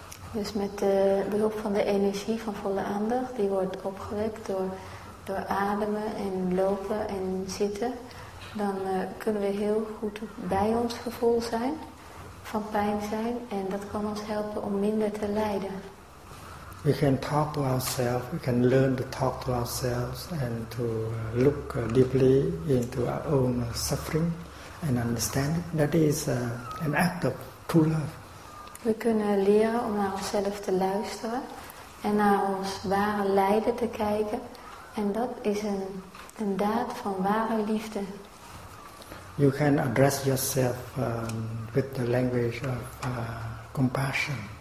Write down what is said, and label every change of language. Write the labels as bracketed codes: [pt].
[nl] Dus met de behulp van de energie van volle aandacht, die wordt opgewekt door ademen en lopen en zitten, dan kunnen we heel goed bij ons gevoel zijn, van pijn zijn, en dat kan ons helpen om minder te lijden. [en] We can talk to ourselves, we can learn to talk to ourselves and to look deeply into our own suffering and understand it. That is an act of true love. [nl] We kunnen leren om naar onszelf te luisteren en naar ons ware lijden te kijken. En dat is een daad van ware liefde. [en] You can address yourself with the language of compassion.